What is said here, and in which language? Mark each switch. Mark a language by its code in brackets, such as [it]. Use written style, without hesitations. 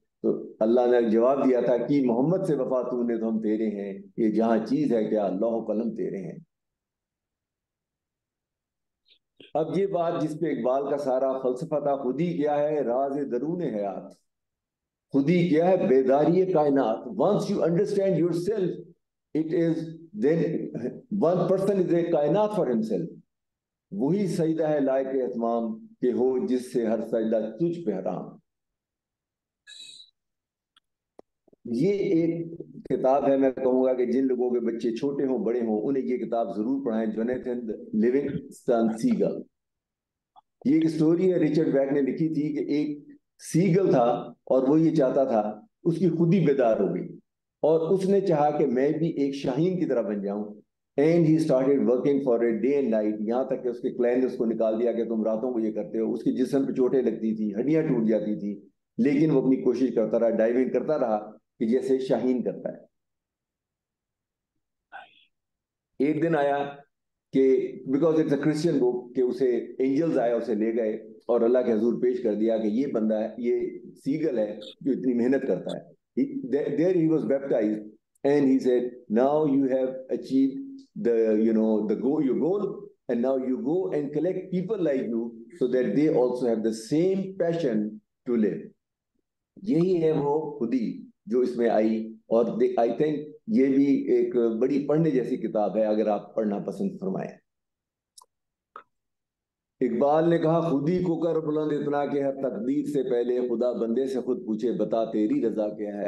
[ur] تو اللہ نے جواب دیا تھا کہ محمد سے وفا تو نے تو ہم تیرے ہیں, یہ جہاں چیز ہے کیا لوح قلم تیرے ہیں. اب یہ بات جس پہ اقبال کا سارا فلسفہ تھا, خود ہی کیا ہے راز درون حیات, خود ہی کیا ہے بیداری کائنات. [en] Once you understand yourself, it is then one person is a kainat for himself. [ur] وہی سجدہ ہے لائق اہتمام کہ ہو جس سے ہر سجدہ تجھ پہ حرام. یہ ایک کتاب ہے, میں کہوں گا کہ جن لوگوں کے بچے چھوٹے ہوں بڑے ہوں انہیں یہ کتاب ضرور پڑھائیں, جوناتھن لیونگ سٹن سیگل. یہ ایک سٹوری ہے, رچرڈ بیک نے لکھی تھی کہ ایک سیگل تھا اور وہ یہ چاہتا تھا اس کی خود ہی بیدار ہو گئی اور اس نے چاہا کہ میں بھی ایک شاہین کی طرح بن جاؤں. [en] and he started working for a day and night, [ur] یہاں تک کہ اس کے کلین نے اس کو نکال دیا کہ تم راتوں کو یہ کرتے ہو. اس کے جسم پہ چوٹیں لگتی تھی, ہڈیاں ٹوٹ جاتی تھی, لیکن وہ اپنی کوشش کرتا رہا, ڈائیونگ کرتا رہا کہ جیسے شاہین کرتا ہے. ایک دن آیا کہ [en] because it's a Christian book [ur] کہ اسے اینجلز آیا, اسے لے گئے اور اللہ کے حضور پیش کر دیا کہ یہ بندہ ہے, یہ سیگل ہے جو اتنی محنت کرتا ہے. [en] There he was baptized and he said, now you have achieved the, you know, the goal, your goal, and now you go and collect people like you so that they also have the same passion to live. [ur] یہی ہے وہ خودی جو اس میں آئی. اور [en] I think [ur] یہ بھی ایک بڑی پڑھنے جیسی کتاب ہے اگر آپ پڑھنا پسند فرمائیں. اقبال نے کہا خودی کو کر بلند اتنا کہ ہر تقدیر سے پہلے خدا بندے سے خود پوچھے بتا تیری رضا کیا ہے.